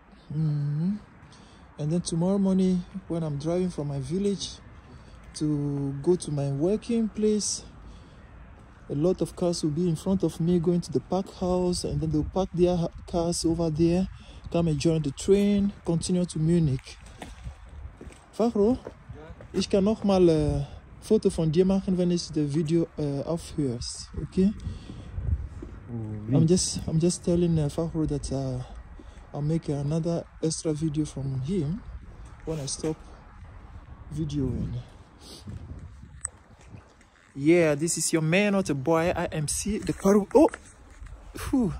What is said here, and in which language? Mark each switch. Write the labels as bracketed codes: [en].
[en] And then tomorrow morning when I'm driving from my village to go to my working place, a lot of cars will be in front of me going to the park house, and then they'll park their cars over there, come and join the train, continue to Munich. [de] Fahro, ja? Ich kann noch mal ein Foto von dir machen, wenn ich das Video aufhörst, okay? Mm-hmm. [en] I'm just telling Fahro that I'll make another extra video from him when I stop videoing. Yeah, this is your man or the boy. I am see the car. Oh, good.